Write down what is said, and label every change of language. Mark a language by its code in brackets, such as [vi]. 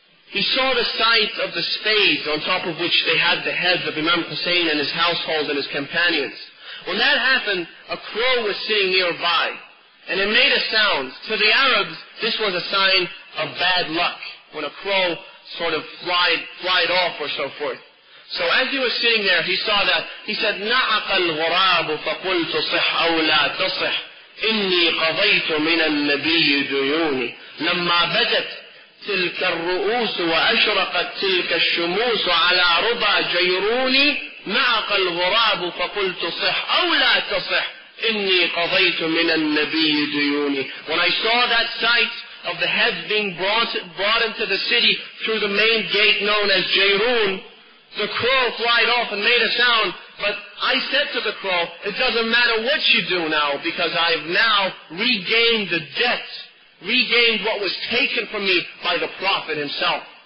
[en] He saw the sight of the spade on top of which they had the heads of Imam Hussein and his household and his companions. When that happened, a crow was sitting nearby, and it made a sound. To the Arabs, this was a sign of bad luck, when a crow sort of flied off or so forth. So as he was sitting there, he saw that. He said, [ar] نَعَقَ الْغُرَابُ فَقُلْتُ صِحْ أَوْ لَا تُصِحْ إِنِّي قَضَيْتُ مِنَ النَّبِيِّ دُيُونِ لَمَّا بَدَتْ تلك الرؤوس وأشرقت تلك الشموس على ربا جيروني معق الغراب فقلت صح أو لا تصح إني قضيت من النبي ديوني. [en] When I saw that sight of the heads being brought into the city through the main gate known as Jairun, the crow flied off and made a sound. But I said to the crow, it doesn't matter what you do now, because I have now regained the debt, regained what was taken from me by the Prophet himself.